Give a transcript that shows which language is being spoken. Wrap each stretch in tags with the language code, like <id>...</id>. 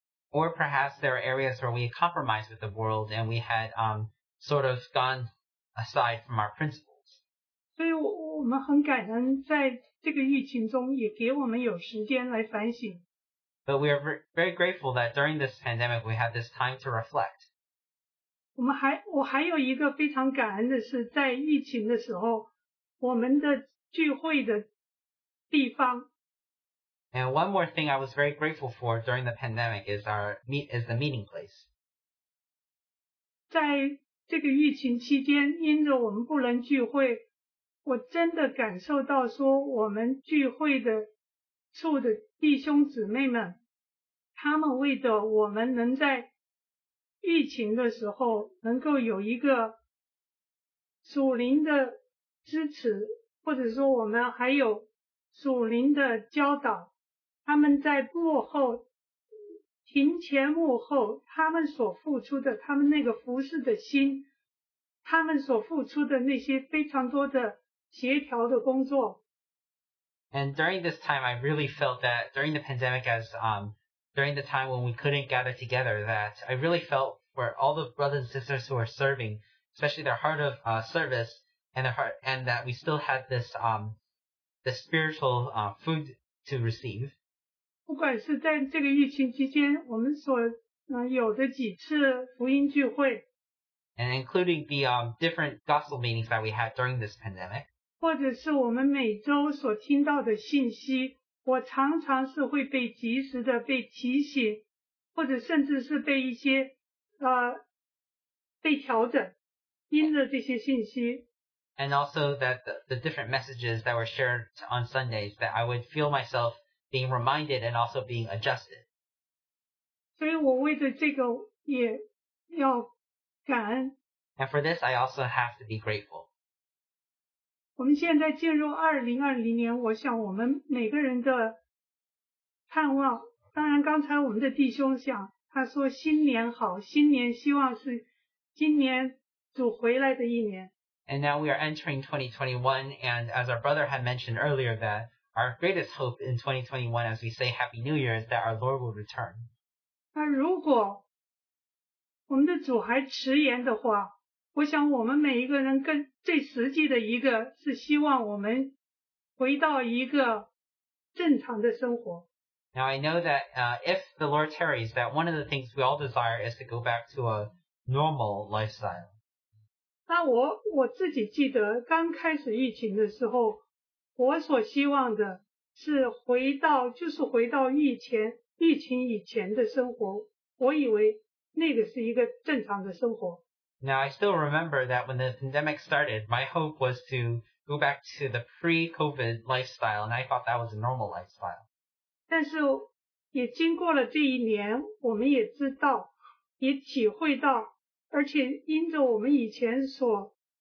<en>Or perhaps there are areas where we compromised with the world and we had sort of gone aside from our principles.</en> <zh>所以我们很感恩在这个疫情中也给我们有时间来反省。</zh> <en>But we are very grateful that during this pandemic we had this time to reflect.</en> <zh>我还有一个非常感恩的是在疫情的时候我们的聚会的地方。</zh> <en>And one more thing I was very grateful for during the pandemic is the meeting place.</en> <zh>在这个疫情期间因着我们不能聚会我真的感受到说我们聚会的处的弟兄姊妹们他们为着我们能在疫情的时候能够有一个属灵的支持或者说我们还有属灵的教导他们在幕后庭前幕后他们所付出的他们那个服侍的心他们所付出的那些非常多的协调的工作。</zh> <en>And during this time, I really felt that during the pandemic, during the time when we couldn't gather together, that I really felt for all the brothers and sisters who are serving, especially their heart of service and their heart, and that we still had this, the spiritual food to receive.</en> <zh>不管是在这个疫情期间，我们所有的几次福音聚会</zh> <en>，and including the different gospel meetings that we had during this pandemic.</en> <zh>或者是我们每周所听到的信息，我常常是会被及时的被提醒，或者甚至是被一些被调整，因着这些信息。</zh> <en>And also that the different messages that were shared on Sundays, that I would feel myself being reminded and also being adjusted.</en> <zh>所以我为着这个也要感恩。</zh> <en>And for this, I also have to be grateful.</en> <zh>我们现在进入2020年，我想我们每个人的盼望，当然刚才我们的弟兄想，他说新年好，新年希望是今年主回来的一年。</zh> <en>And now we are entering 2021, and as our brother had mentioned earlier that our greatest hope in 2021 as we say Happy New Year is that our Lord will return.</en> <zh>那如果我们的主还迟延的话我想我们每一个人更最实际的一个是希望我们回到一个正常的生活。</zh> <en>Now I know that if the Lord tarries, that one of the things we all desire is to go back to a normal lifestyle.</en> <zh>那我自己记得刚开始疫情的时候我所希望的是回到就是回到疫情以前的生活我以为那个是一个正常的生活。</zh> <en>Now, I still remember that when the pandemic started, my hope was to go back to the pre-COVID lifestyle, and I thought that was a normal lifestyle.</en> <zh>但是也经过了这一年我们也知道也体会到而且因着我们以前所</zh>